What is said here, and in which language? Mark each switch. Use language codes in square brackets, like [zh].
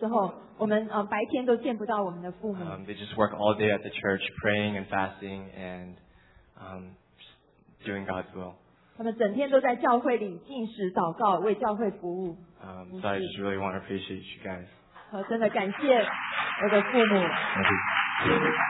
[zh] 有的时候，当我哥哥跟我回来的时候，我们白天都见不到我们的父母。 [en] They just work all day at the church, praying and fasting and doing God's will. [zh] 他们整天都在教会里禁食祷告，为教会服务。 [en] So I just really want to appreciate you guys. [zh] 真的感谢我的父母。 [en] Thank you.